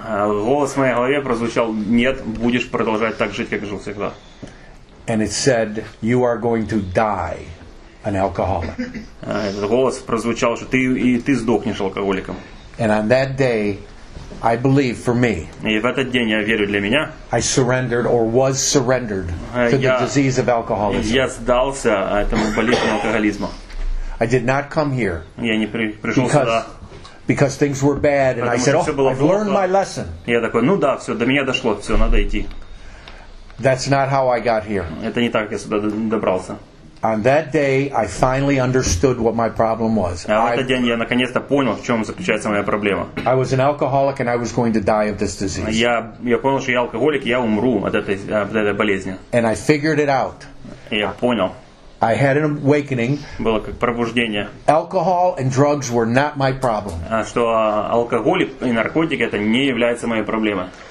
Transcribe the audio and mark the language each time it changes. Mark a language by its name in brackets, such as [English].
[Russian] Голос в моей голове прозвучал: "Нет, будешь продолжать так жить, как жил всегда." [English] And it said, "You are going to die an alcoholic." [Russian] Этот голос прозвучал, что ты сдохнешь алкоголиком. [English] And on that day, I believe for me. [Russian] И в этот день я верю для меня. [English] I surrendered or was surrendered to the disease of alcoholism. [Russian] Я сдался этому болезни алкоголизма. [English] I did not come here. [Russian] Я не пришел сюда. [English] Because things were bad, and [Russian] потому [English] I said, "Oh, I've learned my lesson." [Russian] Я такой: ну да, все, до меня дошло, все, надо идти. [English] That's not how I got here. [Russian] Это не так я сюда добрался. [English] On that day, I finally understood what my problem was. [Russian] А в этот день я наконец-то понял, в чем заключается моя проблема. [English] I was an alcoholic, and I was going to die of this disease. [Russian] Я понял, что я алкоголик, и я умру от этой болезни. [English] And I figured it out. [Russian] Я понял. [English] I had an awakening. [Russian] Было как пробуждение. [English] Alcohol and drugs were not my problem. [Russian] Что алкоголь и наркотики это не является моей проблемой.